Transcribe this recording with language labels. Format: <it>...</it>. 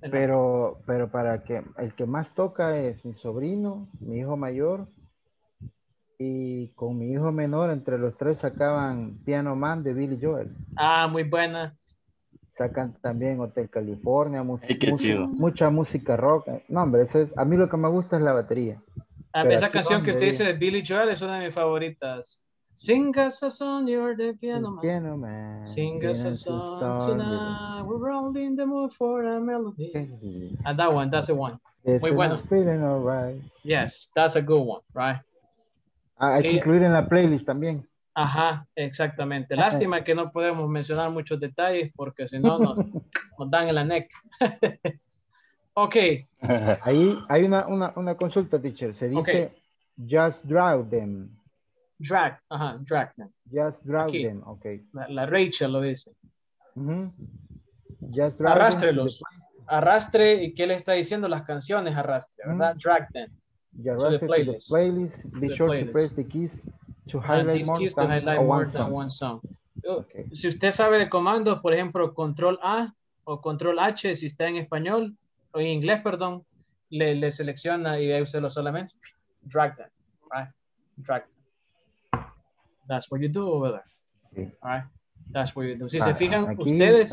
<es>pero para que el que más toca es mi sobrino, mi hijo mayor, y con mi hijo menor, entre los tres sacaban Piano Man de Billy Joel. Ah, muy buena. Sacan también Hotel California, mucha música rock. No, hombre, a mí lo que me gusta es la batería. Esa canción que usted dice de Billy Joel es una de mis favoritas.</es> <en>Sing us a song, you're the piano man. Piano man. Sing us a song tonight. We're rolling the mood for a melody. And that one, that's the one. It's</en> <es>muy bueno.</es> <en>Feeling all right. Yes, that's a good one, right?</en> <es>Hay que incluir en la playlist también. Ajá, exactamente. Lástima que no podemos mencionar muchos detalles porque si no nos dan en la neck.</es> <en>Ok.</en> <es>Ahí hay una consulta, teacher. Se dice,</es> <en>okay. Just draw them. Drag, ajá, drag them. Just drag aquí them, okay.</en> <es>La Rachel lo dice. Mm-hmm.</es> <en>Just drag.</en> <es>Arrástrelos. Them. Arrastre, ¿y qué le está diciendo? Las canciones arrastre, ¿verdad? Mm-hmm.</es> <en>Drag them. Yeah, to the playlist. To the playlist. Be to sure playlist. To press the keys to highlight more, keys than, to highlight more than one song. Okay.</en> <es>Si usted sabe de comandos, por ejemplo, control A o control H, si está en español, o en inglés, perdón, le selecciona y ahí usted lo solamente.</es> <en>Drag them, right? Drag them. That's what you do over there.</en> <es>Sí.</es> <en>All right. That's what you do.</en> <es>Si se fijan aquí, ustedes.</es>